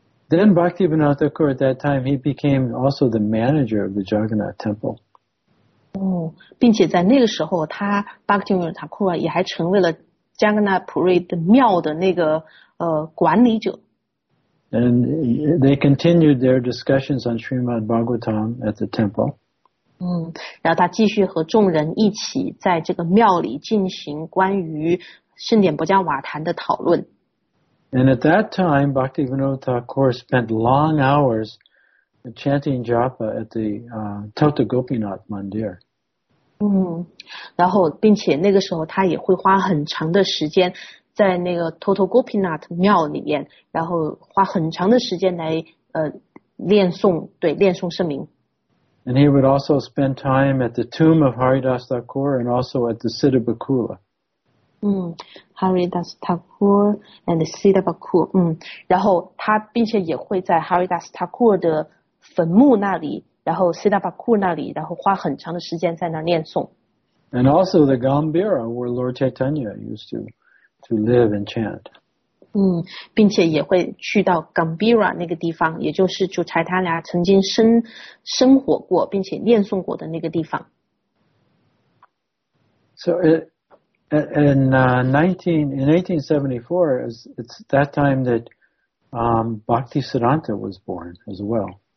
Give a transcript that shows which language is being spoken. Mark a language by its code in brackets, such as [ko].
[en] Then Bhaktivinoda Thakur at that time, he became also the manager of the Jagannath Temple. [zh] Oh, 并且在那个时候，他 Bhaktivinoda Thakur 也还成为了 Jagannath Puri 的庙的那个管理者。 [en] And they continued their discussions on Srimad Bhagavatam at the temple. [zh] 嗯，然后他继续和众人一起在这个庙里进行关于圣典薄伽瓦坛的讨论。 [en] And at that time, Bhaktivinoda Thakur spent long hours chanting japa at the Tota Gopinath Mandir. [zh] 嗯，然后并且那个时候他也会花很长的时间在那个 Tota Gopinath 庙里面，然后花很长的时间来念诵圣名。 [en] And he would also spend time at the tomb of Haridas Thakur and also at the Siddha Bakula. [zh] Haridas Thakur and Siddha Bakula. 然后他并且也会在 Haridas Thakur 的坟墓那里，然后 Siddha Bakula 那里，然后花很长的时间在那念诵。 [en] And also the Gambira where Lord Chaitanya used to live and chant. [zh] 并且也会去到 Gambira 那个地方，也就是就柴塔俩曾经生活过并且念诵过的那个地方。 [en] So in 1874, it's that time that Bhaktisiddhanta was born as well.